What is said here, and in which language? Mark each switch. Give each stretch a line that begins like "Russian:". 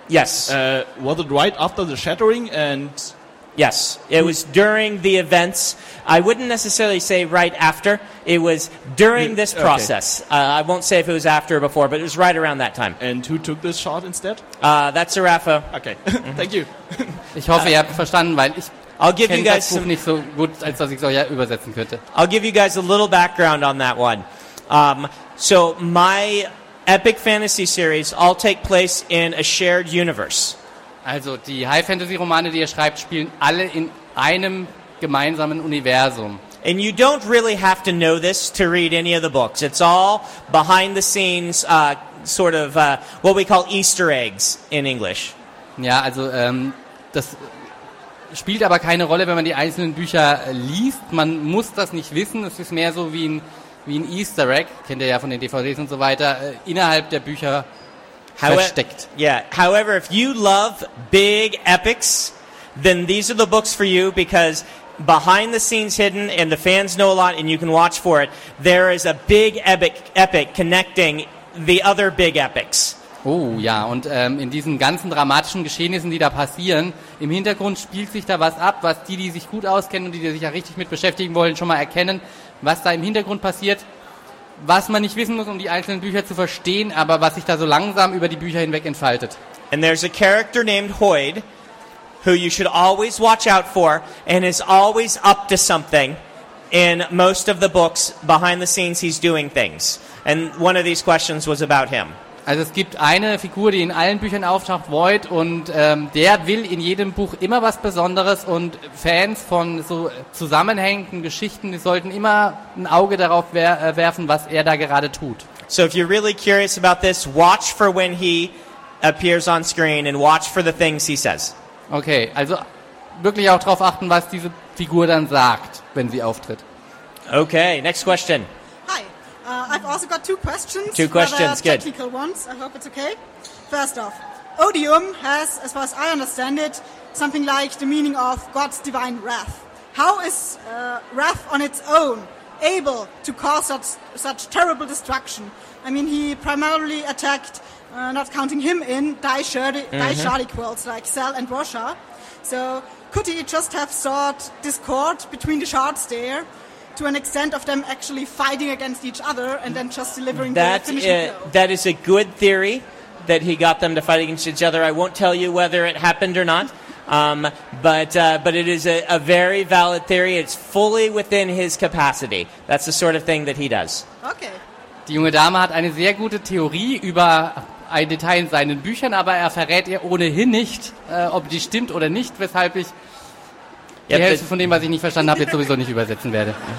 English: Yes. Was it right after the shattering and... Yes, it was during the events. I wouldn't necessarily say right after. It was during this process. Okay. I won't say if it was after or before, but it was right around that time. And who took this shot instead? That's Serapha. Okay, thank you.
German: Ich hoffe, ihr habt verstanden, weil ich kenne das Buch nicht so gut, als dass ich es euch übersetzen könnte.
English: I'll give you guys a little background on that one. So my epic fantasy series all take place in a shared universe.
German: Also die High-Fantasy-Romane, die ihr schreibt, spielen alle in einem gemeinsamen Universum.
English: And you don't really have to know this to read any of the books. It's all behind the scenes, sort of what we call Easter eggs in English.
German: Ja, also das spielt aber keine Rolle, wenn man die einzelnen Bücher liest. Man muss das nicht wissen. Es ist mehr so wie ein Easter Egg, kennt ihr ja von den DVDs und so weiter, innerhalb der Bücher.
English: However, if you love big epics, then these are the books for you, because behind the scenes hidden, and the fans know a lot, and you can watch for it, there is a big epic connecting the other big epics.
German: Oh ja, und in diesen ganzen dramatischen Geschehnissen, die da passieren, im Hintergrund spielt sich da was ab, was die sich gut auskennen und die sich ja richtig mit beschäftigen wollen, schon mal erkennen, was da im Hintergrund passiert. Was man nicht wissen muss, um die einzelnen Bücher zu verstehen, aber was sich da so langsam über die Bücher hinweg entfaltet.
English: And there's a character named Hoyd, who you should always watch out for, and is always up to something in most of the books. Behind the scenes, he's doing things. And one of these questions was about him.
German: Also es gibt eine Figur, die in allen Büchern auftaucht, Void, und der will in jedem Buch immer was Besonderes, und Fans von so zusammenhängenden Geschichten, die sollten immer ein Auge darauf werfen, was er da gerade tut.
English: So if you're really curious about this, watch for when he appears on screen and watch for the things he says.
German: Okay, also wirklich auch darauf achten, was diese Figur dann sagt, wenn sie auftritt.
English: Okay, next question. I've also got two questions. Two questions, good. Technical ones. I hope it's okay. First off, Odium has, as far as I understand it, something like the meaning of God's divine wrath. How is wrath on its own able to cause such terrible destruction? I mean, he primarily attacked, not counting him in, Die Shardiquels like Sel and Rosha. So could he just have sought discord between the shards there, to an extent of them actually fighting against each other and then just delivering the finishing blow? That is a good theory, that he got them to fight against each other. I won't tell you whether it happened or not, but it is a very valid theory. It's fully within his capacity. That's the sort of thing that he does. Okay.
German: Die junge Dame hat eine sehr gute Theorie über ein Detail in seinen Büchern, aber er verrät ihr ohnehin nicht, ob die stimmt oder nicht, weshalb ich die Hälfte von dem, was ich nicht verstanden habe, jetzt sowieso nicht übersetzen werde.